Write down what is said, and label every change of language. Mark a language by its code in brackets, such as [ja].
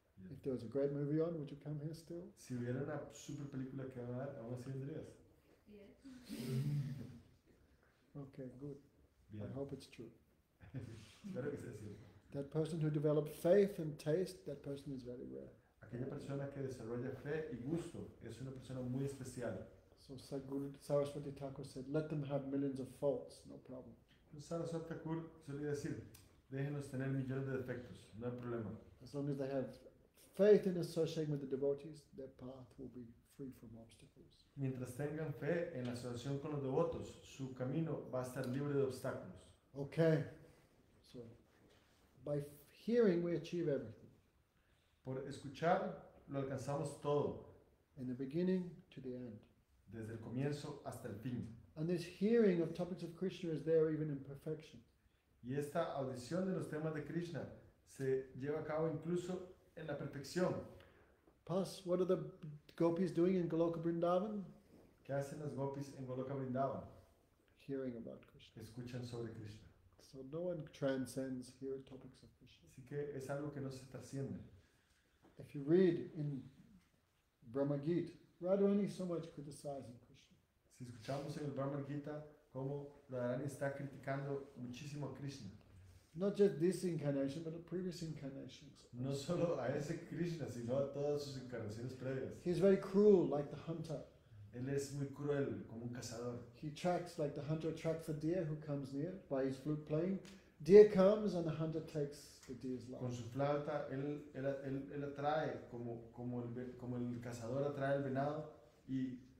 [en] If there was a great movie on, would you come here still? [es] Si hubiera una super película que va a dar, ¿aún así vendrías? [en] Yes. Okay, good. [es] Bien. [en] I hope it's true. [es] Espero que sea cierto. [en] That person who develops faith and taste, that person is very rare. [es] Aquella persona que desarrolla fe y gusto es una persona muy especial. [en] So Saraswati Thakur said, let them have millions of faults, no problem. [es] Saraswati Thakur solía decir, déjenos tener millones de defectos, no hay problema. [en] As long as they have faith in associating with the devotees, their path will be free from obstacles. [es] Mientras tengan fe en la asociación con los devotos, su camino va a estar libre de obstáculos. [en] Okay. So, by hearing we achieve everything. [es] Por escuchar lo alcanzamos todo. [en] In the beginning to the end. [es] Desde el comienzo hasta el fin. [en] And this hearing of topics of Krishna is there even in perfection. [es] Y esta audición de los temas de Krishna se lleva a cabo incluso en la perfección. [en] Pass, what are the gopis doing in Goloka Vrindavan? [es] ¿Qué hacen las gopis en Goloka Vrindavan? [en] Hearing about Krishna. [es] Escuchan sobre Krishna. [en] So no one transcends here topics of Krishna. [es] Así que es algo que no se trasciende. [en] If you read in Brahma Gita, Radharani so much criticizing Krishna. [es] Si escuchamos en el Brahma Gita cómo Radharani está criticando muchísimo a Krishna. [en] Not just this incarnation, but the previous incarnations. [es] No solo a ese Krishna, sino a todas sus incarnaciones previas. [en] He's very cruel, like the hunter. [es] Él es muy cruel, como un cazador. [en] He tracks, like the hunter tracks a deer who comes near by his flute playing. Deer comes and the hunter takes the deer's life. [es] Con su flauta, él atrae, como el cazador atrae el venado y...